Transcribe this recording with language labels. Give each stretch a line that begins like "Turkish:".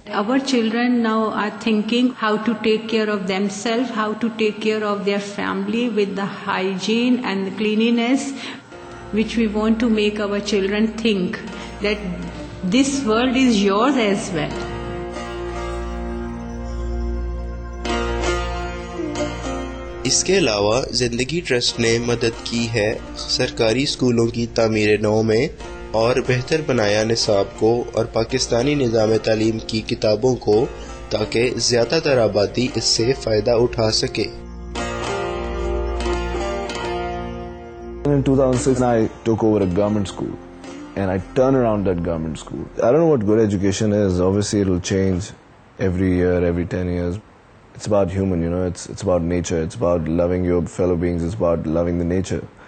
English: Our children now are thinking how to take care of themselves, how to take care of their family with the hygiene and the cleanliness, which we want to make our children think that this world is yours as well.
Urdu: اس کے علاوہ زندگی trust نے مدد کی ہے سرکاری سکولوں کی تعمیر نو میں اور بہتر بنایا نصاب کو اور پاکستانی نظام تعلیم کی کتابوں کو تاکہ زیادہ تر آبادی اس سے فائدہ اٹھا سکے.
English: In 2006 I took over a government school and I turned around that government school. I don't know what good education is. Obviously it'll change every year, every 10 years. It's about human, you know, it's about nature, it's about loving your fellow beings, it's about loving the nature.